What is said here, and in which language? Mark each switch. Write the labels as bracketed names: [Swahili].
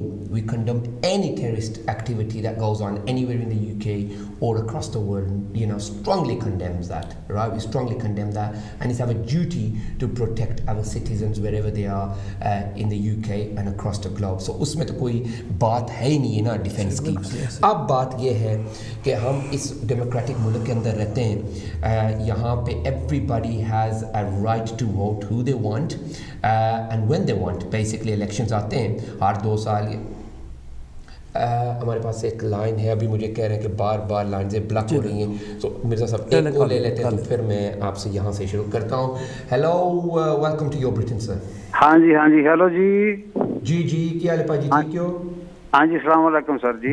[English] We condemn any terrorist activity that goes on anywhere in the UK or across the world. You know, strongly condemns that, right? We strongly condemn that, and it's our duty to protect our citizens wherever they are in the UK and across the globe. [Hindi] So, उसमें तो कोई बात है ही नहीं ना defence की। अब बात ये है कि हम इस डेमोक्रेटिक मुल्क के अंदर रहते हैं, यहाँ पे [English] everybody has a right to vote who they want. And when they want, basically elections [Hindi] आते हैं हर 2 साल। हमारे पास एक लाइन है, अभी मुझे कह रहे हैं कि बार बार लाइनें ब्लॉक हो रही हैं, तो मिर्ज़ा साहब एक को ले लेते हैं तो फिर मैं आपसे यहाँ से शुरू करता हूँ। [English] Hello, welcome to your Britain sir. [Hindi] हाँ जी हेलो जी। जी जी, क्या हाल है पाजी? ठीक हो? हाँ जी, सलाम वालेकुम सर जी।